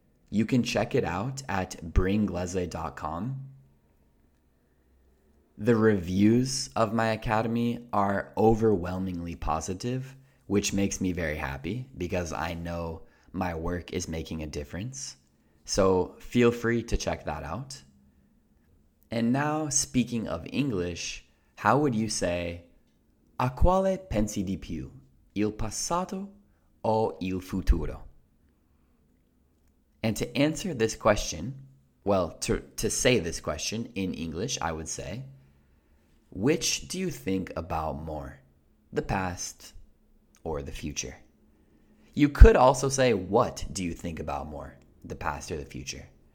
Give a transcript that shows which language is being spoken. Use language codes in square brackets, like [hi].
[en] You can check it out at bringlese.com. The reviews of my academy are overwhelmingly positive, which makes me very happy because I know my work is making a difference. So feel free to check that out. And now, speaking of English, how would you say, [it] a quale pensi di più, il passato o il futuro? [en] And to answer this question, well, to say this question in English, I would say, which do you think about more, the past or the future? You could also say, what do you think about more, the past or the future?